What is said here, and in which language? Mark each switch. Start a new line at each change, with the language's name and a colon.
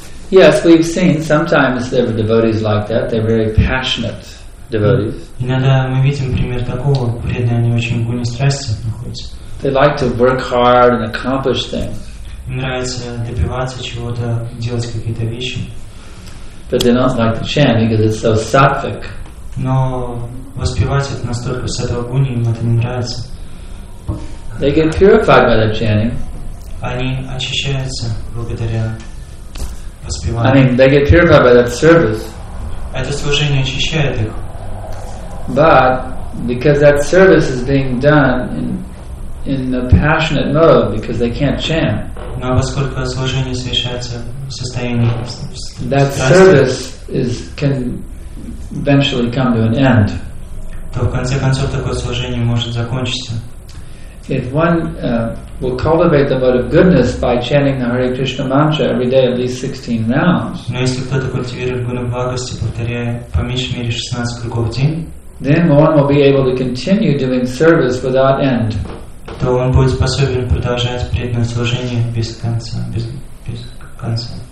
English: Yes, we've seen sometimes there were devotees like that. They're very passionate devotees.
Russian: Иногда мы видим пример такого, преданные, они очень гуни страсти находятся.
English: They like to work hard and accomplish things.
Russian: Им нравится добиваться чего-то, делать какие-то вещи.
English: But they don't like to chant because it's so sattvic.
Russian: Но воспевать это настолько сатвагуни, им это не нравится.
English: They get purified by the chanting.
Russian: Они очищаются благодаря воспеванию.
English: I mean, they get purified by that service.
Russian: Это служение очищает их.
English: But because that service is being done in a passionate mode, because they can't chant.
Russian: Но поскольку служение совершается в состоянии страсти,
English: that service can eventually come to an end.
Russian: То в конце концов такое служение может закончиться.
English: If one will cultivate the mode of goodness by chanting the Hare Krishna mantra every day at least 16 rounds.
Russian: Но если кто-то культивирует гуну благости, повторяя по меньшей мере 16 кругов в день,
English: then one will be able to continue doing service without end.
Russian: То он будет способен продолжать преданное служение без конца, без конца.